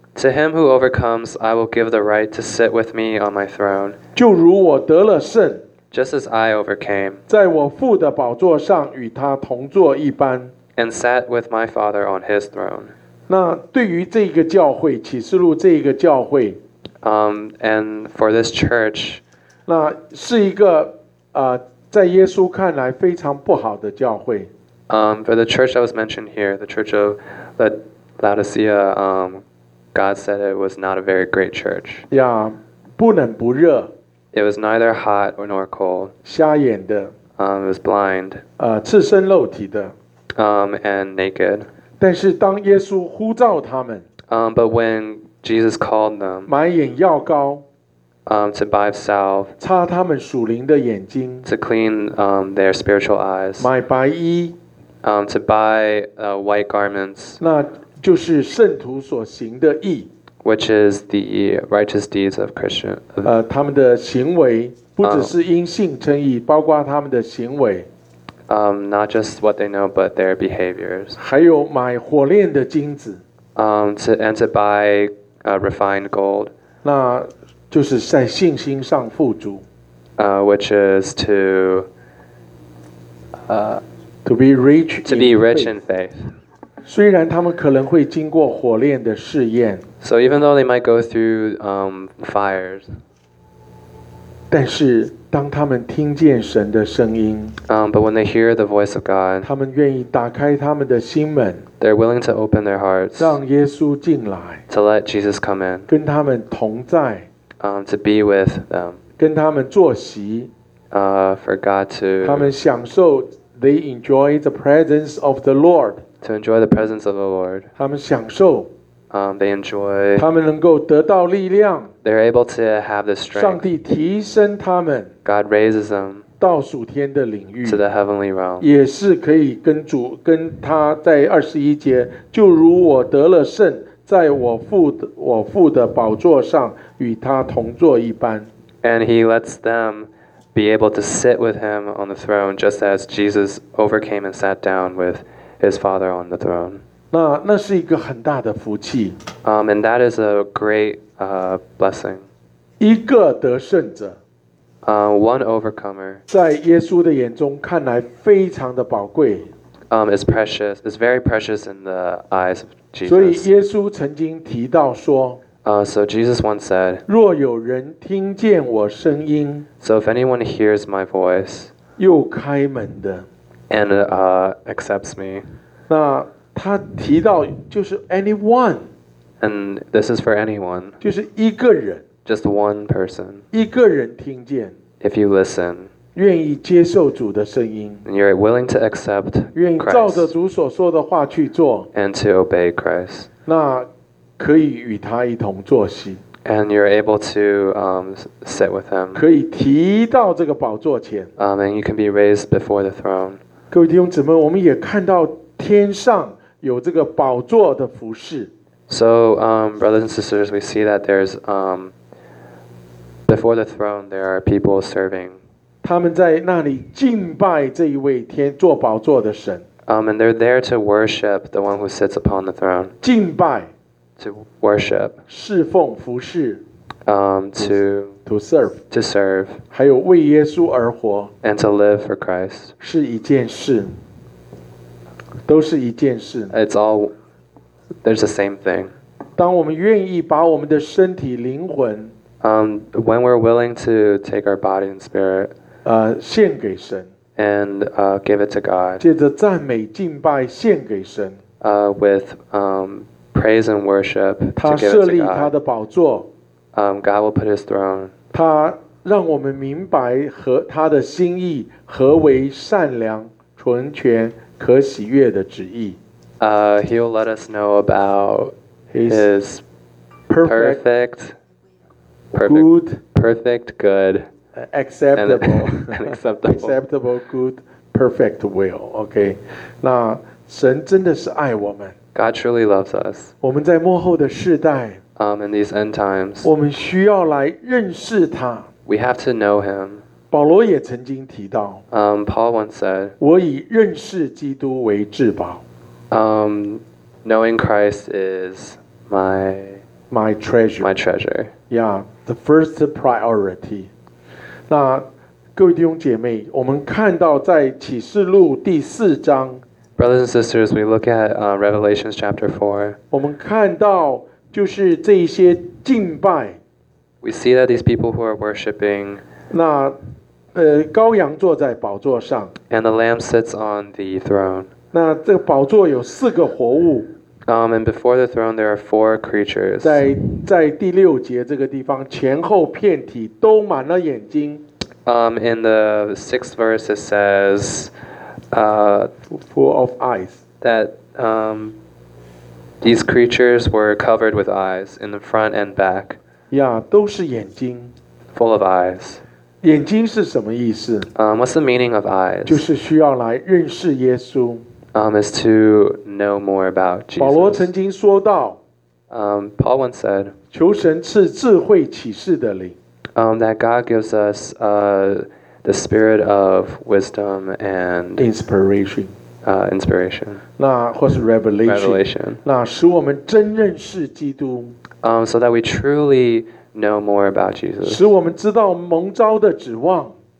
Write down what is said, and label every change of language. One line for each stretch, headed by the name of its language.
English: To him who overcomes I will give the right to sit with me on my throne
Chinese: 就如我得了胜
English: Just as I overcame
Chinese: 在我父的宝座上与他同坐一般
English: And sat with my father on his throne
Chinese: 那对于这个教会启示录这个教会
English: And for this church
Chinese: 那是一个在耶稣看来非常不好的教会。
English: For the church that was mentioned here, the church of Laodicea, God said it was not a very great church.
Chinese: Yeah, 不冷不热。
English: It was neither hot nor cold.
Chinese: 瞎眼的。
English: was blind.
Chinese: 赤身肉体的。
English: And naked.
Chinese: 但是当耶稣呼召他们。
English: But when Jesus called them.
Chinese: 买眼药膏。
English: To buy salve.
Chinese: 擦他们属灵的眼睛。
English: To clean their spiritual eyes.
Chinese: 买白衣。
English: To buy white garments.
Chinese: 那就是圣徒所行的义。
English: Which is the righteous deeds of Christian.
Chinese: 他们的行为不只是因信称义，包括他们的行为。
English: Not just what they know, but their behaviors.
Chinese: 还有买火炼的金子。
English: To buy refined gold.
Chinese: 那就是在信心上富足。
English: Which is to be rich. To be rich in faith.
Chinese: 虽然他们可能会经过火炼的试验。
English: So even though they might go through fires,
Chinese: 但是当他们听见神的声音
English: but when they hear the voice of God,
Chinese: 他们愿意打开他们的心门
English: they're willing to open their hearts,
Chinese: 让耶稣进来
English: to let Jesus come in,
Chinese: 跟他们同在
English: to be with them,
Chinese: 跟他们坐席
English: for God to,
Chinese: 他们享受
English: they enjoy the presence of the Lord, to enjoy the presence of the Lord,
Chinese: 他们享受
English: They enjoy,
Chinese: 他们能够得到力量
English: they're able to have the strength,
Chinese: 上帝提升他们
English: God raises them,
Chinese: 到属天的领域
English: to the heavenly realm,
Chinese: 也是可以跟主跟他在二十一节就如我得了圣在我父的宝座上与他同坐一般
English: and he lets them be able to sit with him on the throne just as Jesus overcame and sat down with his father on the throne
Chinese: 那是一个很大的福气。
English: And that is a great blessing.
Chinese: 一个得胜者。
English: One overcomer.
Chinese: 在耶稣的眼中看来非常的宝贵。
English: Is precious. Is very precious in the eyes of Jesus.
Chinese: 所以耶稣曾经提到说。
English: So Jesus once said.
Chinese: 若有人听见我声音。
English: So if anyone hears my voice.
Chinese: 又开门的。
English: And accepts me.
Chinese: 那他提到就是
English: anyone, and this is for anyone,
Chinese: 就是一个人
English: just one person,
Chinese: 一个人听见
English: if you listen,
Chinese: 愿意接受主的声音
English: and you're willing to accept Christ,
Chinese: 愿意照着主所说的话去做
English: and to obey Christ,
Chinese: 那可以与他一同坐席
English: and you're able to sit with him,
Chinese: 可以提到这个宝座前
English: and you can be raised before the throne.
Chinese: 各位弟兄姊妹，我们也看到天上有这个宝座的服事。
English: So, brothers and sisters, we see that there's before the throne, there are people serving.
Chinese: 他们在那里敬拜这一位天坐宝座的神。
English: And they're there to worship the one who sits upon the throne.
Chinese: 敬拜。
English: To worship.
Chinese: 侍奉服事。
English: To serve. To serve.
Chinese: 还有为耶稣而活。
English: And to live for Christ.
Chinese: 是一件事。都是一件事。
English: It's all, there's the same thing.
Chinese: 当我们愿意把我们的身体灵魂
English: when we're willing to take our body and spirit,
Chinese: 献给神
English: and give it to God,
Chinese: 借着赞美敬拜献给神
English: with praise and worship,
Chinese: 他设立他的宝座
English: God will put his throne.
Chinese: 他让我们明白和他的心意何为善良纯全可喜悦的旨意。
English: He'll let us know about his perfect good, acceptable good, perfect will.
Chinese: Okay, 那神真的是爱我们。
English: God truly loves us.
Chinese: 我们在末后的世代。
English: In these end times,
Chinese: 我们需要来认识他。
English: We have to know him.
Chinese: 保罗也曾经提到
English: Paul once said,
Chinese: 我以认识基督为至宝
English: Knowing Christ is my treasure. My treasure. Yeah, the first priority.
Chinese: 那各位弟兄姐妹，我们看到在启示录第四章
English: Brothers and sisters, we look at Revelation chapter 4.
Chinese: 我们看到就是这些敬拜
English: We see that these people who are worshipping
Chinese: 那羔羊坐在宝座上。
English: And the lamb sits on the throne.
Chinese: 那这个宝座有四个活物。
English: And before the throne, there are four creatures.
Chinese: 在第六节这个地方，前后遍体都满了眼睛。
English: In the sixth verse, it says, full of eyes. That these creatures were covered with eyes in the front and back.
Chinese: Yeah, 都是眼睛。
English: Full of eyes.
Chinese: 眼睛是什么意思？
English: What's the meaning of eyes?
Chinese: 就是需要来认识耶稣。
English: Is to know more about Jesus.
Chinese: 保罗曾经说到。
English: Paul once said,
Chinese: 求神赐智慧启示的灵。
English: That God gives us the spirit of wisdom and inspiration. Inspiration.
Chinese: 那或是
English: revelation. Revelation.
Chinese: 那使我们真认识基督。
English: So that we truly know more about Jesus.
Chinese: 使我们知道蒙召的指望。